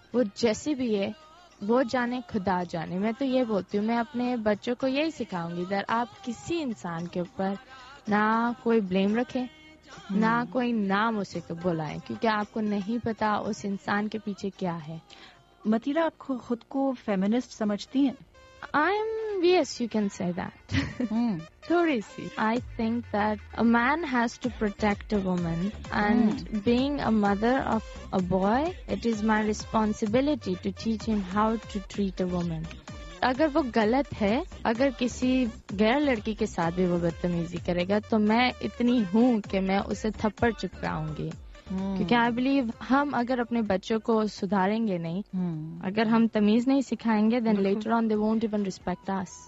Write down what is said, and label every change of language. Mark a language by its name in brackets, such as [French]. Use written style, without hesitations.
[Urdu] وہ جیسی بھی ہے وہ جانے, خدا جانے. میں تو یہ بولتی ہوں, میں اپنے بچوں کو یہی سکھاؤں گی در آپ کسی انسان کے اوپر نہ کوئی بلیم رکھے, نہ کوئی نام اسے بلائیں, کیونکہ آپ کو نہیں پتا اس انسان کے پیچھے کیا ہے. متیرا, آپ خود کو فیمنسٹ سمجھتی ہیں؟ [English] Yes, you can say that. [Urdu] Thori si. [English] I think that a man has to protect a woman. And being a mother of a boy, it is my responsibility to teach him how to treat a woman. [Urdu] اگر وہ غلط ہے, اگر کسی غیر لڑکی کے ساتھ بھی وہ بدتمیزی کرے گا, تو میں اتنی ہوں کہ میں اسے تھپڑ چکراؤں گی. کیونکہ [English] I believe ہم [Urdu] اگر اپنے بچوں کو سدھاریں گے نہیں, اگر ہم تمیز نہیں سکھائیں گے, [English] Then later on they won't even respect us.